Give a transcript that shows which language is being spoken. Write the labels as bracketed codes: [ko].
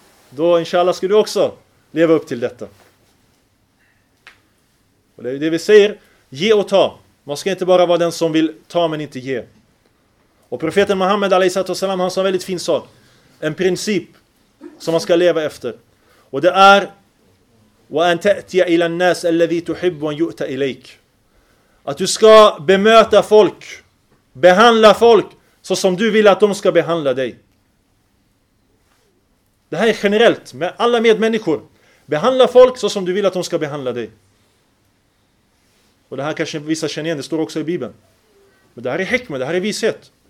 [sv] Då inshallah ska du också leva upp till detta. Och det är det vi säger, ge och ta. Man ska inte bara vara den som vill ta men inte ge. Och profeten Muhammad a.s. han sa en väldigt fin sak. En princip som man ska leva efter. Och det är [ar] وَأَنْ تَأْتِيَ إِلَى النَّاسَ الَّذِي تُحِبُّ وَنْ يُؤْتَ إِلَيْكَ. [sv] Att du ska bemöta folk, behandla folk så som du vill att de ska behandla dig. Det här är generellt med alla medmänniskor. Behandla folk så som du vill att de ska behandla dig. Och det här kanske vissa känner igen, det står också i Bibeln. Men det här är hikma, det här är vishet.